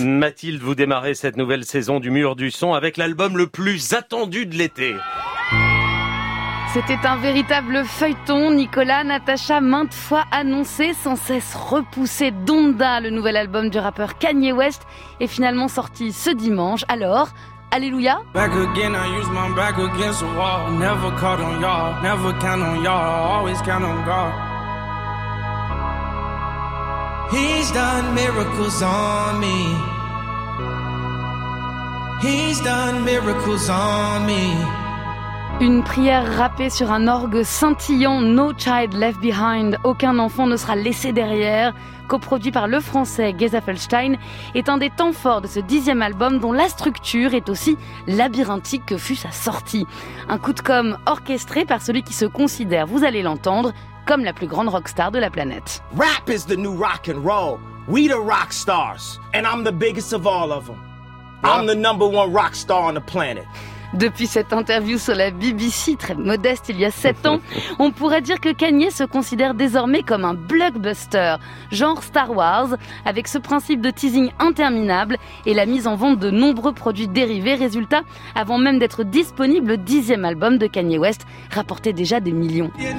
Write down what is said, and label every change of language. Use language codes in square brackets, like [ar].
[fr] Mathilde, vous démarrez cette nouvelle saison du Mur du Son avec l'album le plus attendu de l'été. C'était un véritable feuilleton, Nicolas, Natacha, maintes fois annoncé, sans cesse repoussé, Donda, le nouvel album du rappeur Kanye West, est finalement sorti ce dimanche. Alors, alléluia. [en] Back again, I use my back against the wall. Never caught on y'all, never count on y'all, always count on God. He's done miracles on me. He's done miracles on me. [fr] Une prière rappée sur un orgue scintillant, No Child Left Behind, Aucun enfant ne sera laissé derrière, coproduit par le français Gesaffelstein, est un des temps forts de ce 10e album dont la structure est aussi labyrinthique que fut sa sortie. Un coup de com' orchestré par celui qui se considère, vous allez l'entendre, comme la plus grande rockstar de la planète. [en] Rap is the new rock and roll. We the rock stars. And I'm the biggest of all of them. I'm the number one rock star on the planet. [fr] Depuis cette interview sur la BBC, très modeste il y a 7 ans, on pourrait dire que Kanye se considère désormais comme un blockbuster, genre Star Wars, avec ce principe de teasing interminable et la mise en vente de nombreux produits dérivés. Résultat, avant même d'être disponible, le 10e album de Kanye West rapportait déjà des millions.